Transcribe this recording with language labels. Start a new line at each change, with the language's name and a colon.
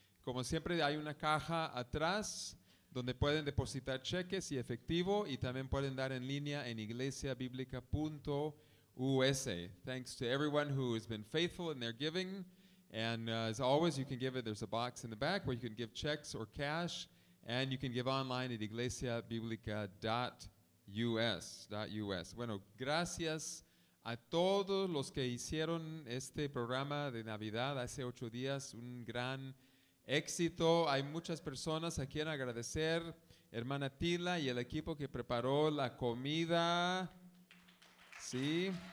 Spanish: Como siempre, hay una caja atrás donde pueden depositar cheques y efectivo, y también pueden dar en línea en iglesiabiblica.us.
English: Thanks to everyone who has been faithful in their giving. And as always, you can give it. There's a box in the back where you can give checks or cash, and you can give online at iglesiabiblica.us.
Spanish: Bueno, gracias a todos los que hicieron este programa de Navidad hace 8 días, un gran éxito. Hay muchas personas a quien agradecer, hermana Tila y el equipo que preparó la comida, sí.